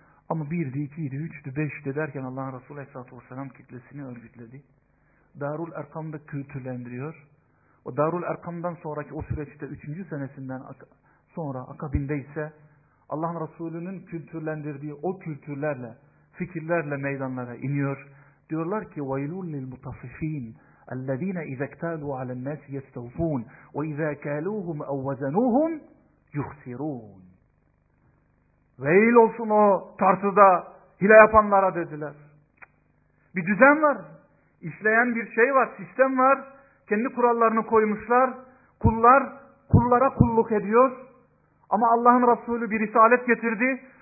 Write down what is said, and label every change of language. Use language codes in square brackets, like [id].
[tr] Ama 1'di, 2'di, 3'di, 5'di derken Allah'ın Resulü Aleyhisselatü Vesselam kitlesini örgütledi. Darul Erkam'da kültürlendiriyor. O Darul Erkam'dan sonraki o süreçte 3. senesinden sonra akabinde ise Allah'ın Resulü'nün kültürlendirdiği o kültürlerle, fikirlerle meydanlara iniyor. Diyorlar ki [ar] وَيْلُوا لِلْمُطَفِف۪ينَ الَّذ۪ينَ اِذَا اَكْتَالُوا عَلَى النَّاسِ يَسْتَوْفُونَ وَاِذَا كَالُوهُمْ اَوْ وَزَنُوهُمْ يُخْسِرُونَ. [tr] Veil olsun o tartıda hile yapanlara dediler. Bir düzen var. İşleyen bir şey var, sistem var. Kendi kurallarını koymuşlar. Kullar, kullara kulluk ediyor. Ama Allah'ın Resulü bir risalet getirdi.